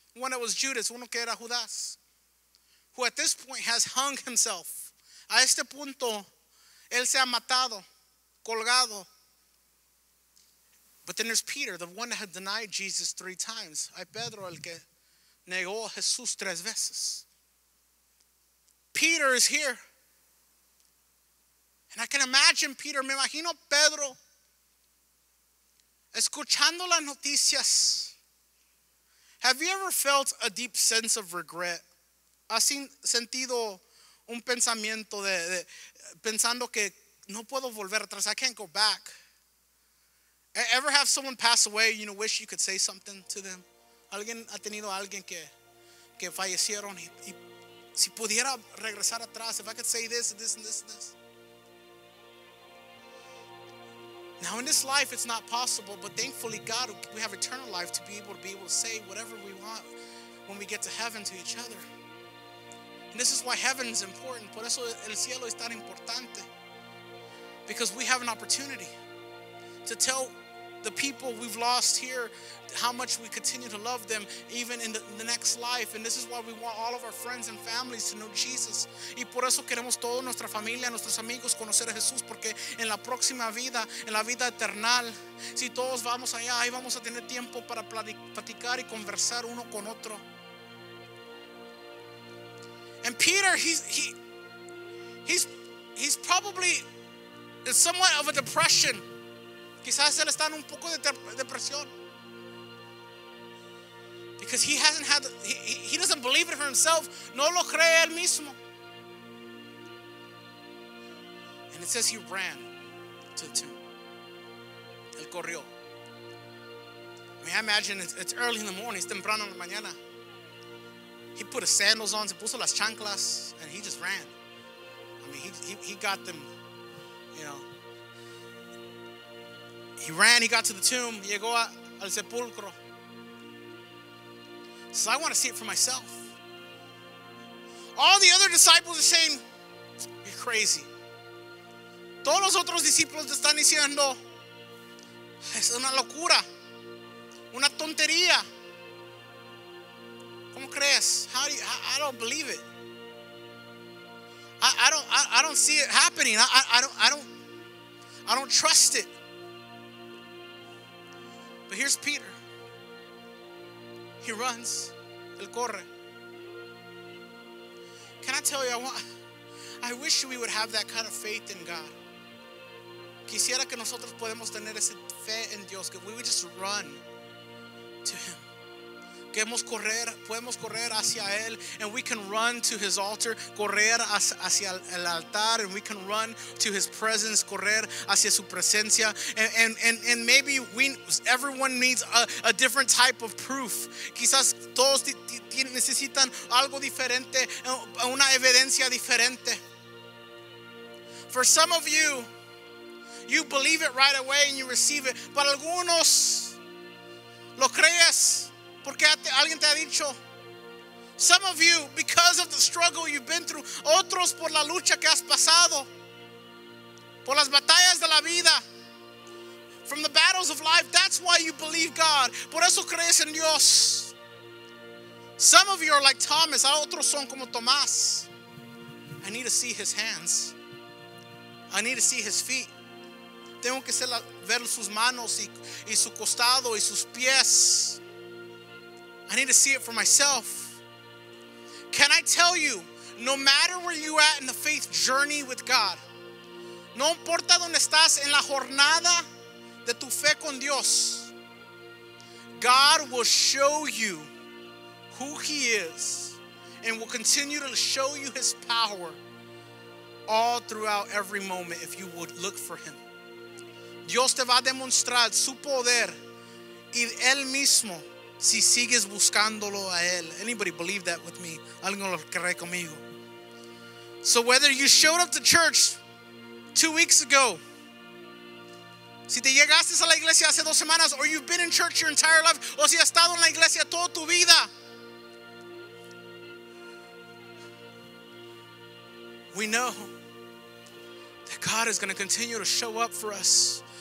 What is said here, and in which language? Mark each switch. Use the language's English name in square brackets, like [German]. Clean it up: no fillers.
[English] One that was Judas, [Spanish] uno que era Judas, [English] who at this point has hung himself. [Spanish] A este punto, él se ha matado, colgado. [English] But then there's Peter, the one that had denied Jesus 3 times. [Spanish] Hay Pedro, el que negó a Jesús tres veces. [English] Peter is here. And I can imagine Peter, [Spanish] me imagino Pedro, escuchando las noticias. [English] Have you ever felt a deep sense of regret? [Spanish] ¿Has sentido un pensamiento de pensando que no puedo volver atrás? [English] I can't go back. Ever have someone pass away, you know, wish you could say something to them? [Spanish] ¿Alguien ha tenido alguien que fallecieron y si pudiera regresar atrás, [English] if I could say this, this, and this, and this? Now in this life it's not possible, but thankfully God, we have eternal life to be able to say whatever we want when we get to heaven to each other. And this is why heaven is important. [Spanish] Por eso el cielo es tan importante. [English] Because we have an opportunity to tell the people we've lost here how much we continue to love them even in the next life. And this is why we want all of our friends and families to know Jesus. [Spanish] Y por eso queremos toda nuestra familia, nuestros amigos conocer a Jesús, porque en la próxima vida, en la vida eterna, si todos vamos allá, ahí vamos a tener tiempo para platicar y conversar uno con otro. [English] And Peter, he's probably in somewhat of a depression. [Spanish] Quizás él está en un poco de depresión. [English] Because he hasn't had, he doesn't believe it for himself. [Spanish] No lo cree él mismo. [English] And it says he ran to the tomb. [Spanish] Él corrió. [English] I mean, I imagine it's early in the morning. It's [Spanish] temprano en la mañana. [English] He put his sandals on, [Spanish] se puso las chanclas, [English] and he just ran. I mean, he got them, you know. He ran, he got to the tomb, [Spanish] llegó al sepulcro. [English] So I want to see it for myself. All the other disciples are saying, you're crazy. [Spanish] Todos los otros discípulos están diciendo, es una locura, una tontería. ¿Cómo crees? [English] I don't believe it. I don't see it happening. I don't trust it. But here's Peter. He runs. [Spanish] El corre. [English] Can I tell you, I wish we would have that kind of faith in God. [Spanish] Quisiera que nosotros podemos tener esa fe en Dios, que [English] we would just run to Him. [Spanish] Podemos correr hacia él, [English] and we can run to his altar, [Spanish] correr hacia el altar, [English] and we can run to his presence, [Spanish] correr hacia su presencia. [English] And maybe everyone needs a different type of proof. [Spanish] Quizás todos necesitan algo diferente, una evidencia diferente. [English] For some of you, you believe it right away and you receive it. [Spanish] Para algunos, lo crees. Porque alguien te ha dicho. [English] Some of you, because of the struggle you've been through. [Spanish] Otros, por la lucha que has pasado. Por las batallas de la vida. [English] From the battles of life. That's why you believe God. [Spanish] Por eso crees en Dios. [English] Some of you are like Thomas. [Spanish] Otros son como Tomás. [English] I need to see his hands. I need to see his feet. [Spanish] Tengo que ver sus manos y su costado y sus pies. [English] I need to see it for myself. Can I tell you, no matter where you're at in the faith journey with God, [Spanish] no importa donde estás en la jornada de tu fe con Dios, [English] God will show you who He is and will continue to show you His power all throughout every moment if you would look for Him. [Spanish] Dios te va a demostrar su poder y Él mismo si sigues buscándolo a él. [English] Anybody believe that with me? [Spanish] ¿Alguien lo cree conmigo? [English] So whether you showed up to church 2 weeks ago, [Spanish] si te llegaste a la iglesia hace dos semanas, [English] or you've been in church your entire life, [Spanish] o si has estado en la iglesia toda tu vida, [English] we know that God is going to continue to show up for us.